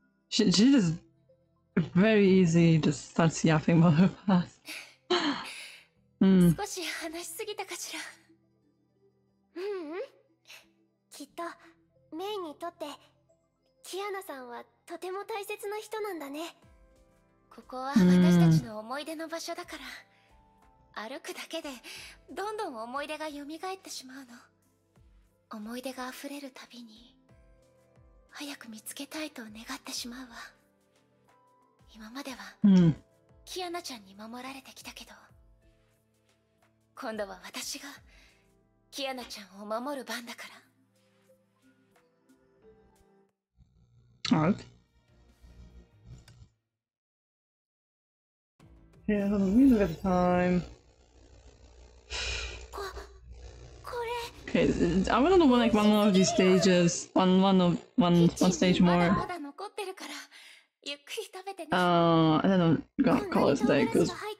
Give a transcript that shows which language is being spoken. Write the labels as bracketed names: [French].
[English] She just very easy just starts yapping about her past. [Japanese] 少し話しすぎたかしら。きっとメイにとってキアナさんはとても大切な人なんだね。ここは私たちの思い出の場所だから、歩くだけでどんどん思い出が蘇ってしまうの。思い出が溢れるたびに早く見つけたいと願ってしまうわ。今までは、うん、キアナちゃんに守られてきたけど、今度は私がキアナちゃんを守る番だから。はい。いや、でも見つけたタイム。 [English] Okay, I'm gonna do like one of these stages, one stage more. I don't know, gonna call it today, because